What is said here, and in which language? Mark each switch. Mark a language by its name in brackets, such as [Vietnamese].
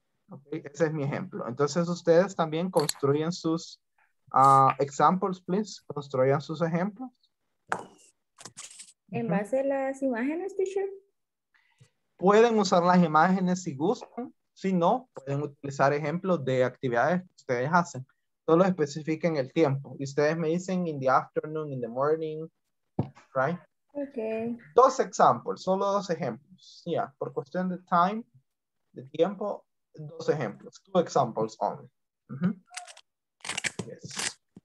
[Spanish] Okay, ese es mi ejemplo. Entonces, ustedes también construyen sus [English] examples, please. [Spanish] Construyan sus ejemplos. ¿En base a las imágenes, teacher? Pueden usar las imágenes si gustan. Si no, pueden utilizar ejemplos de actividades que ustedes hacen. Solo especifiquen el tiempo. Y ustedes me dicen [English] in the afternoon, in the morning, right? Okay. [Spanish] Dos ejemplos, solo dos ejemplos. Yeah, por cuestión de time, de tiempo, dos ejemplos. [English] Two examples only. Mm-hmm. Yes.